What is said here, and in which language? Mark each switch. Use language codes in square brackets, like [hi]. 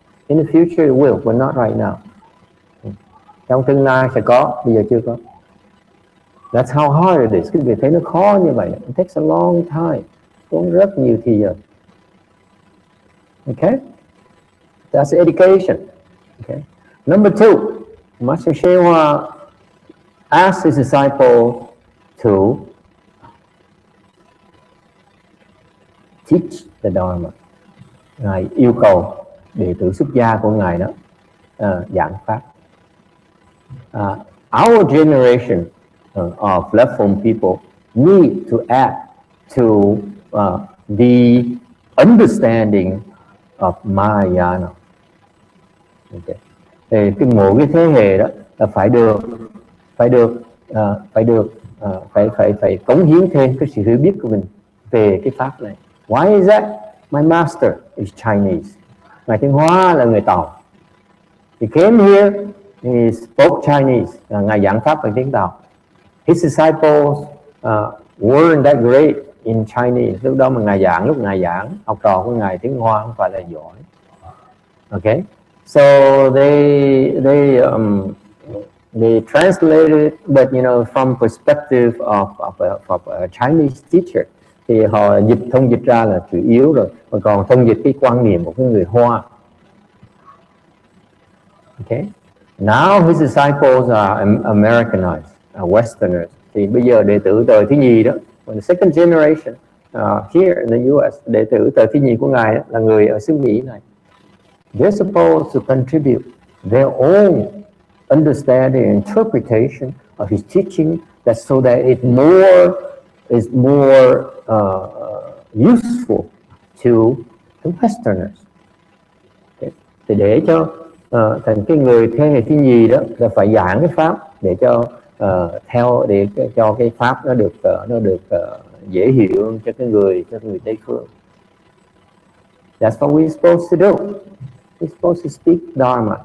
[en] In the future it will, but not right now. [vi] Trong tương lai sẽ có, bây giờ chưa có. [en] That's how hard it is. [vi] Cái việc thấy nó khó như vậy. [en] It takes a long time. [vi] Cũng rất nhiều thì giờ. [en] Okay? That's education. Okay? Number two. Master Hsuan Hua asked his disciple to teach the Dharma. [vi] Ngài yêu cầu đệ tử xuất gia của Ngài đó giảng pháp. [en] Our generation of platform people need to add to the understanding of Mahayana. Okay. [vi] Thì cái mỗi cái thế hệ đó là phải cống hiến thêm cái sự hiểu biết của mình về cái pháp này. [en] Why is that? My master is Chinese. [vi] Ngài Thiên Hóa là người Tàu. [en] He came here, he spoke Chinese. [vi] Ngài giảng pháp bằng tiếng Tàu. [en] His disciples weren't that great in Chinese. [vi] Lúc đó mà Ngài giảng, học trò của Ngài Thiên Hóa không phải là giỏi. Okay? [en] So they translated, but you know, from perspective of a Chinese teacher, [vi] thì họ dịch thông dịch ra là chủ yếu rồi, mà còn thông dịch cái quan niệm của người Hoa. [en] Okay, now his disciples are Americanized, are Westerners. [vi] Thì bây giờ đệ tử đời thứ nhì đó, [en] the second generation here in the U.S. [vi] đệ tử đời thứ nhì của ngài đó, là người ở xứ Mỹ này. [en] They're supposed to contribute their own understanding and interpretation of his teaching, that so that it is more useful to the Westerners. Okay. [vi] Thì để cho thành cái người thế hệ thứ nhì đó là phải giảng cái pháp để cho theo để cho cái pháp nó được dễ hiểu cho cái người Tây phương. [en] That's what we're supposed to do. We're supposed to speak Dharma.